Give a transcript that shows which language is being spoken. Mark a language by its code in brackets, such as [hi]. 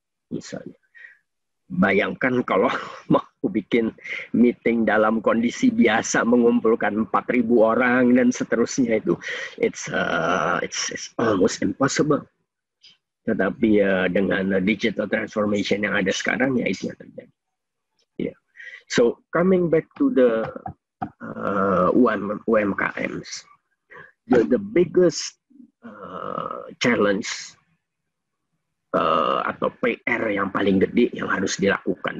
[id] Misalnya. Bayangkan kalau mau bikin meeting dalam kondisi biasa mengumpulkan 4.000 orang dan seterusnya itu it's almost impossible. Tetapi dengan digital transformation yang ada sekarang, ya itu yang terjadi. [en] Yeah. So, coming back to the UMKMs, the biggest challenge [id] atau PR yang paling gede yang harus dilakukan?